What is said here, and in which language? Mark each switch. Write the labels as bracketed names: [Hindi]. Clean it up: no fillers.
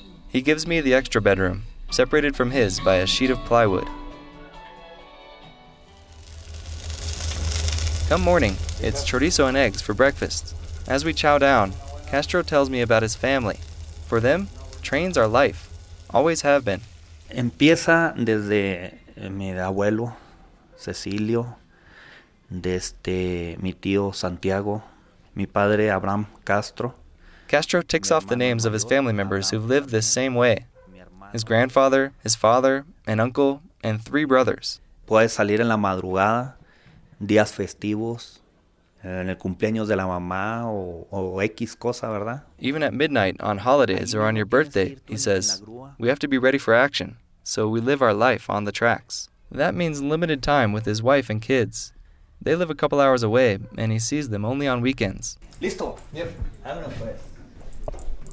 [English] He gives me the extra bedroom, separated from his by a sheet of plywood. Come morning, it's chorizo and eggs for breakfast. As we chow down, Castro tells me about his family, For them, trains are life, always have been. [Spanish] Empieza desde mi abuelo, Cecilio, desde mi tío Santiago, mi padre Abraham Castro. [English] Castro ticks off the names of his family members who've lived this same way. His grandfather, his father, an uncle, and three brothers. [Spanish] Puedes salir en la madrugada, días festivos, en el cumpleaños de la mamá o X cosa, ¿verdad? [English] Even at midnight, on holidays, or on your birthday, he says, we have to be ready for action, so we live our life on the tracks. That means limited time with his wife and kids. They live a couple hours away, and he sees them only on weekends. [Spanish] Listo. Yep. Vámonos, pues.